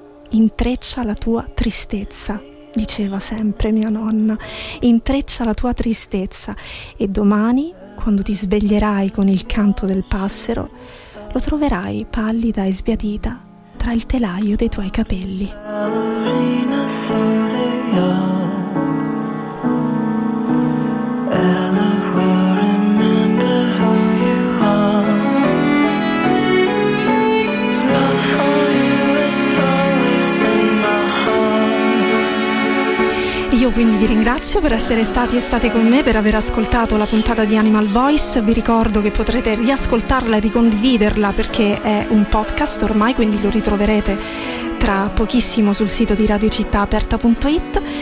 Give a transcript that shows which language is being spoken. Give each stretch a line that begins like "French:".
Italian: Intreccia la tua tristezza, diceva sempre mia nonna, intreccia la tua tristezza, e domani, quando ti sveglierai con il canto del passero, lo troverai pallida e sbiadita tra il telaio dei tuoi capelli.
English: Ella will remember who you are. Love for you is always in my heart.
Italian: Io quindi vi ringrazio per essere stati e state con me, per aver ascoltato la puntata di Animal Voice. Vi ricordo che potrete riascoltarla e ricondividerla, perché è un podcast ormai, quindi lo ritroverete tra pochissimo sul sito di radiocittàaperta.it.